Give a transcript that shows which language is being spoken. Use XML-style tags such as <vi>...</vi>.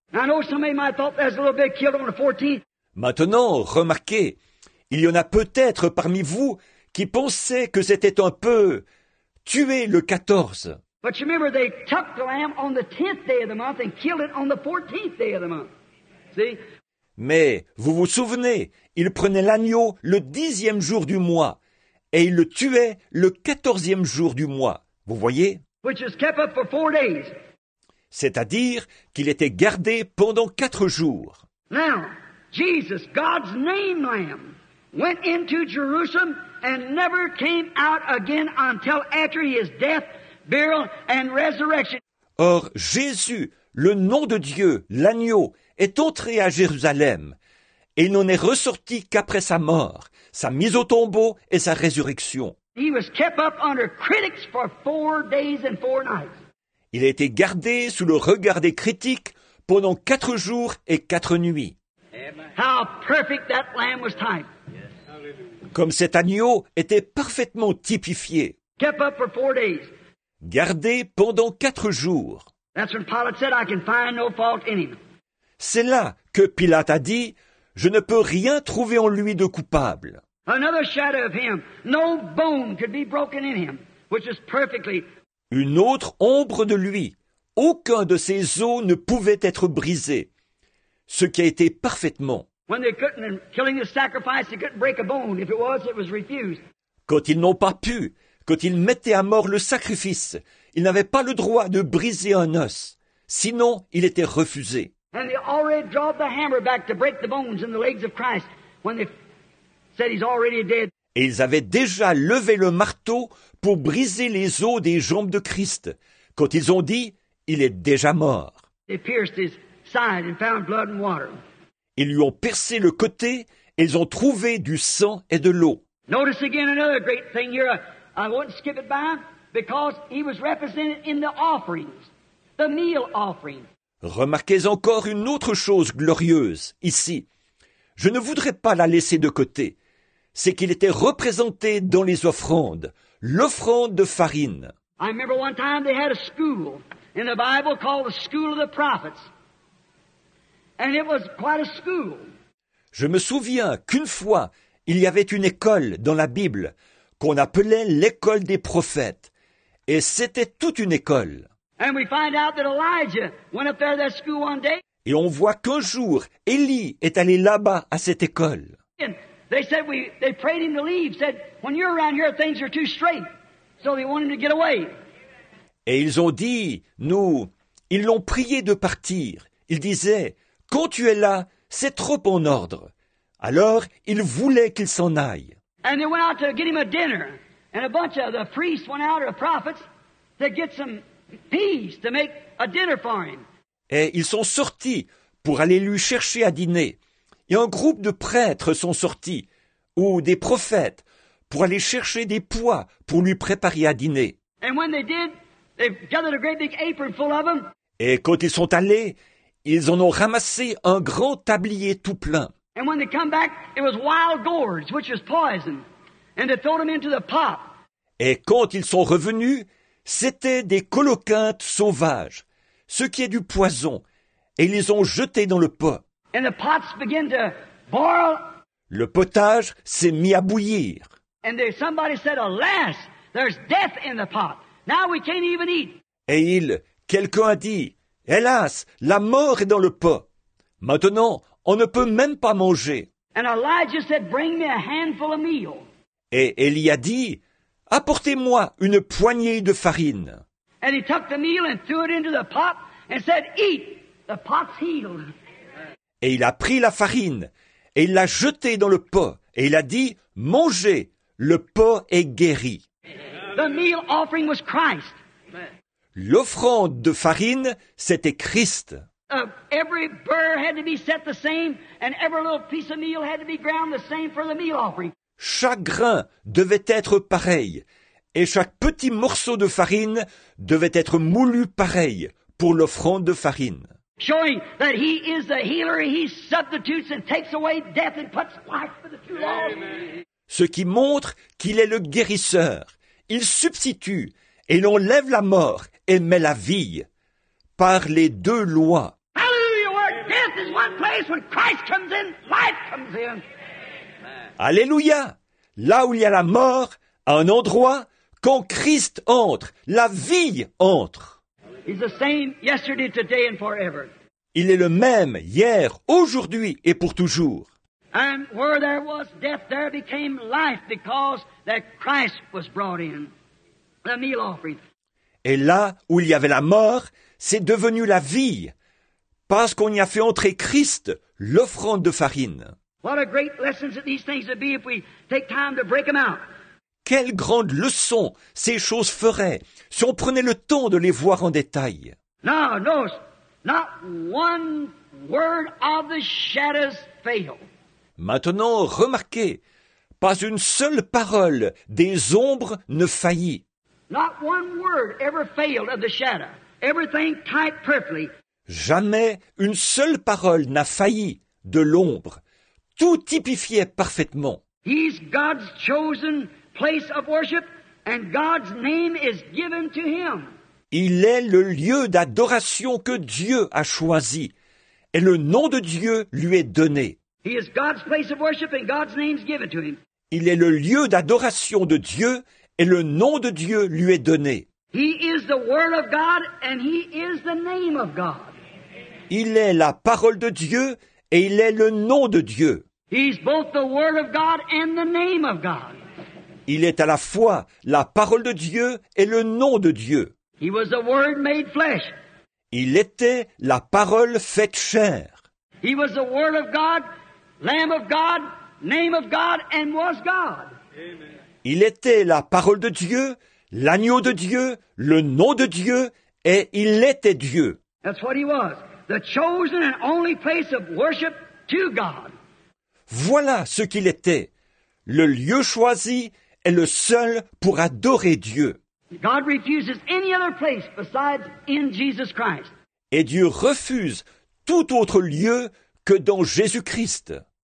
<en>I know somebody might have thought there's a little bit killed on the 14th.</en> <fr>Maintenant, remarquez. Il y en a peut-être parmi vous qui pensaient que c'était un peu tué le 14.</fr> <en>But you remember they took the lamb on the 10th day of the month and killed it on the 14th day of the month. See?</en> <fr>Mais vous vous souvenez, ils prenaient l'agneau le 10e jour du mois et ils le tuaient le 14e jour du mois. Vous voyez?</fr> <en>Which is kept up for 4 days.</en> <fr>C'est-à-dire qu'il était gardé pendant 4 jours.</fr> <en>Now, Jesus, God's name lamb. Went into Jerusalem and never came out again until after his death, burial, and resurrection.</en> <fr>Or, Jésus, le nom de Dieu, l'agneau, est entré à Jérusalem et n'en est ressorti qu'après sa mort, sa mise au tombeau et sa résurrection.</fr> <en>He was kept up under critics for 4 days and 4 nights.</en> <fr>Il a été gardé sous le regard des critiques pendant 4 jours et 4 nuits.</fr> <en>Amen. How perfect that lamb was typed.</en> <fr>Comme cet agneau était parfaitement typifié.</fr> <en>Kept up for 4 days.</en> <fr>Gardé pendant 4 jours.</fr> <en>That's when Pilate said, I can find no fault in him.</en> <fr>C'est là que Pilate a dit, je ne peux rien trouver en lui de coupable.</fr> <en>Another shadow of him. No bone could be broken in him, which is perfectly.</en> <fr>Une autre ombre de lui. Aucun de ses os ne pouvait être brisé. Ce qui a été parfaitement.</fr> <en>When they couldn't, killing the sacrifice, they couldn't break a bone. If it was, it was refused.</en> <fr>Quand ils n'ont pas pu, quand ils mettaient à mort le sacrifice, ils n'avaient pas le droit de briser un os. Sinon, il était refusé.</fr> <en>And they already drove the hammer back to break the bones in the legs of Christ when they said he's already dead.</en> <fr>Et ils avaient déjà levé le marteau pour briser les os des jambes de Christ quand ils ont dit, il est déjà mort.</fr> <en>They pierced his side and found blood and water.</en> <fr>Ils lui ont percé le côté et ils ont trouvé du sang et de l'eau.</fr> <en>Notice again another great thing here. I won't skip it by because he was represented in the offerings, the meal offering.</en> <fr>Remarquez encore une autre chose glorieuse ici. Je ne voudrais pas la laisser de côté. C'est qu'il était représenté dans les offrandes, l'offrande de farine.</fr> <en>I remember one time they had a school in the Bible called the School of the Prophets. And it was quite a school.</en> <fr>Je me souviens qu'une fois, il y avait une école dans la Bible qu'on appelait l'école des prophètes. Et c'était toute une école.</fr> <en>And we find out that Elijah went up there to that school one day.</en> <fr>Et on voit qu'un jour, Élie est allé là-bas à cette école.</fr> <en>And they said they prayed him to leave, said, when you're around here, things are too straight. So they want him to get away.</en> <fr>Et ils ont dit, nous, ils l'ont prié de partir. Ils disaient, quand tu es là, c'est trop en ordre. Alors, ils voulaient qu'il s'en aille.</fr> <en>And they went out to get him a dinner. And a bunch of the priests went out, or the prophets, to get some peas to make a dinner for him.</en> <fr>Et ils sont sortis pour aller lui chercher à dîner. Et un groupe de prêtres sont sortis, ou des prophètes, pour aller chercher des pois pour lui préparer à dîner.</fr> <en>And when they did, they gathered a great big apron full of them.</en> <fr>Et quand ils sont allés, ils en ont ramassé un grand tablier tout plein.</fr> <en>And when they come back, it was wild gourds, which is poison. And they threw them into the pot.</en> <fr>Et quand ils sont revenus, c'était des coloquintes sauvages, ce qui est du poison, et ils les ont jetés dans le pot.</fr> <en>And the pots begin to boil.</en> <fr>Le potage s'est mis à bouillir.</fr> <en>And there, somebody said, alas, there's death in the pot. Now we can't even eat.</en> <fr>Et quelqu'un a dit, hélas, la mort est dans le pot. Maintenant, on ne peut même pas manger.</fr> <en>And Elijah said, bring me a handful of meal.</en> <fr>Et Élie a dit, apportez-moi une poignée de farine.</fr> <en>And he took the meal and threw it into the pot and said, eat, the pot's healed.</en> <fr>Et il a pris la farine et il l'a jetée dans le pot. Et il a dit, mangez, le pot est guéri.</fr> <en>The meal offering was Christ.</en> <fr>L'offrande de farine, c'était Christ.</fr> <en>Every burr had to be set the same and every little piece of meal had to be ground the same for the meal offering.</en> <fr>Chaque grain devait être pareil et chaque petit morceau de farine devait être moulu pareil pour l'offrande de farine.</fr> <en>Showing that he is the healer, he substitutes and takes away death and puts life for the two lost.</en> <fr>Ce qui montre qu'il est le guérisseur. Il substitue et l'enlève la mort et met la vie par les deux lois.</fr> <en>Hallelujah, where death is one place, when Christ comes in, life comes in.</en> <fr>Alléluia! Là où il y a la mort, à un endroit, quand Christ entre, la vie entre.</fr> <en>He's the same yesterday, today and forever.</en> <fr>Il est le même hier, aujourd'hui et pour toujours.</fr> <en>And where there was death, there became life because that Christ was brought in. The meal offering.</en> <fr>Et là où il y avait la mort, c'est devenu la vie, parce qu'on y a fait entrer Christ, l'offrande de farine.</fr> <en>What a great lesson that these things would be if we take time to break them out.</en> <fr>Quelle grande leçon ces choses feraient si on prenait le temps de les voir en détail.</fr> <en>No, no, not one word of the shadows fail.</en> <fr>Maintenant, remarquez, pas une seule parole des ombres ne faillit.</fr> <en>Not one word ever failed of the shadow. Everything typed perfectly.</en> <fr>Jamais une seule parole n'a failli de l'ombre. Tout typifiait parfaitement.</fr> <en>He's God's chosen place of worship and God's name is given to him.</en> <fr>Il est le lieu d'adoration que Dieu a choisi et le nom de Dieu lui est donné.</fr> <en>He is God's place of worship and God's name is given to him.</en> <fr>Il est le lieu d'adoration de Dieu et le nom de Dieu lui est donné.</fr> <en>He is the word of God and he is the name of God.</en> <fr>Il est la parole de Dieu et il est le nom de Dieu.</fr> <en>He's both the word of God and the name of God.</en> <fr>Il est à la fois la parole de Dieu et le nom de Dieu.</fr> <en>He was the word made flesh.</en> <fr>Il était la parole faite chair.</fr> <en>He was the word of God, lamb of God, name of God and was God. Amen.</en> <fr>Il était la parole de Dieu, l'agneau de Dieu, le nom de Dieu et il était Dieu.</fr> <en>That's what he was. The chosen and only place of worship to God.</en> <fr>Voilà ce qu'il était. Le lieu choisi est le seul pour adorer Dieu.</fr> <en>God refuses any other place besides in Jesus Christ.</en> <fr>Et Dieu refuse tout autre lieu que dans Jésus-Christ.</fr>